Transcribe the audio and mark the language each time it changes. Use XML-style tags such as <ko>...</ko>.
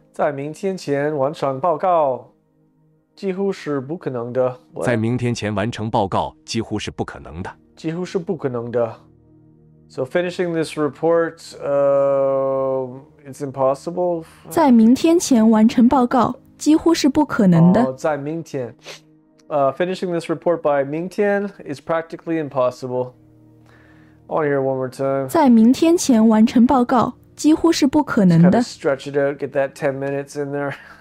<zh>在明天前完成报告几乎是不可能的。在明天前完成报告几乎是不可能的。几乎是不可能的。</zh> <en>So finishing this report, it's impossible.</en> <zh>在明天前完成报告几乎是不可能的。在明天。</zh> <en>Finishing this report by 明天 is practically impossible. I want to hear it one more time.</en> <zh>在明天前完成报告几乎是不可能的。</zh> <en>Kind of stretch it out, get that 10 minutes in there.</en>